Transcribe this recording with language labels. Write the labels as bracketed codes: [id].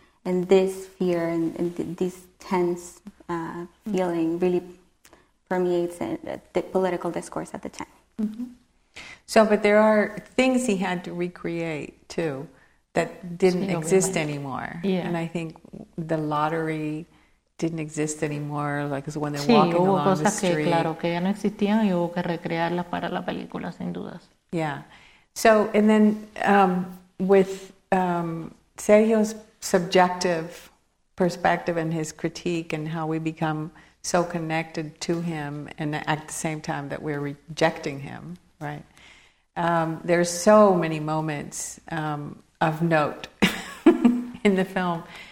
[en] And this fear and this tense feeling really permeates in the political discourse at the time. Mm-hmm. So, but there are things he had to recreate, too, that didn't exist anymore. Yeah. And I think the lottery didn't exist anymore, like, when they're walking along the street. [es] Sí, hubo cosas que, claro, que ya no existían y hubo que recrearlas para la película, sin dudas. [en] Yeah. So, and then with Sergio's subjective perspective and his critique and how we become so connected to him and at the same time that we're rejecting him, right? There's so many moments of note in the film.